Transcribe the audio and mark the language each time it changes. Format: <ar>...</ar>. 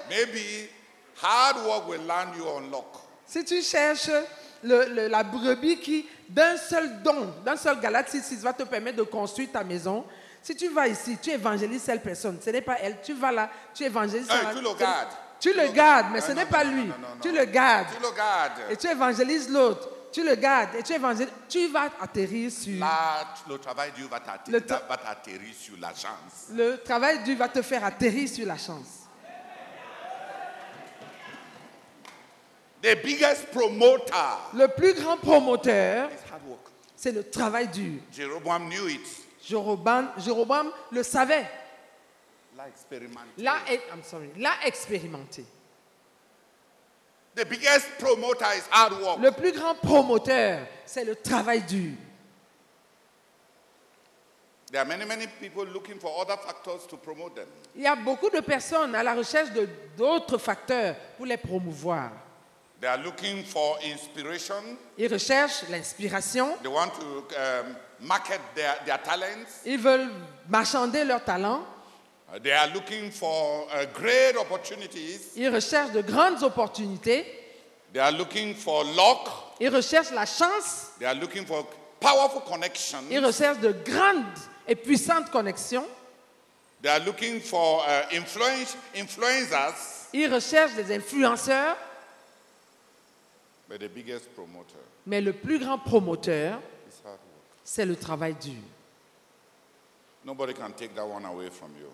<en>Maybe hard work will land you on luck.</en> <fr>Si tu cherches la brebis qui, d'un seul don, d'un seul Galates 6, va te permettre de construire ta maison. Si tu vas ici, tu évangélises cette personne. Ce n'est pas elle. Tu vas là, tu évangélises. Tu le gardes. Tu le gardes, mais ce n'est pas lui. Tu le gardes. Tu le gardes. Et tu évangélises l'autre. Tu le gardes et tu évangélises. Tu vas atterrir sur... Là, le travail Dieu va t'atterrir sur la chance. Le travail Dieu va te faire atterrir sur la chance.</fr> <en>The biggest promoter.</en> <fr>Le plus grand promoteur, c'est le travail dur.</fr> <en>Jeroboam knew it.</en> <fr>Jéroboam le savait. L'a expérimenté. L'a expérimenté.</fr> <en>The biggest promoter is hard work.</en> <fr>Le plus grand promoteur, c'est le travail dur.</fr> <en>There are many people looking for other factors to promote them.</en> <fr>Il y a beaucoup de personnes à la recherche de d'autres facteurs pour les promouvoir.</fr> <en>They are looking for inspiration.</en> <fr>Ils recherchent l'inspiration.</fr> <en>They want to market their talents.</en> <fr>Ils veulent marchander leurs talents.</fr> <en>They are looking for great opportunities.</en> <fr>Ils recherchent de grandes opportunités.</fr> <en>They are looking for luck.</en> <fr>Ils recherchent la chance.</fr> <en>They are looking for powerful connections.</en> <fr>Ils recherchent de grandes et puissantes connexions.</fr> <en>They are looking for influencers.</en> <fr>Ils recherchent des influenceurs.</fr> <en>But the biggest promoter.</en> <fr>Mais le plus grand promoteur, c'est le travail dur.</fr> <en>Nobody can take that one away from you.</en>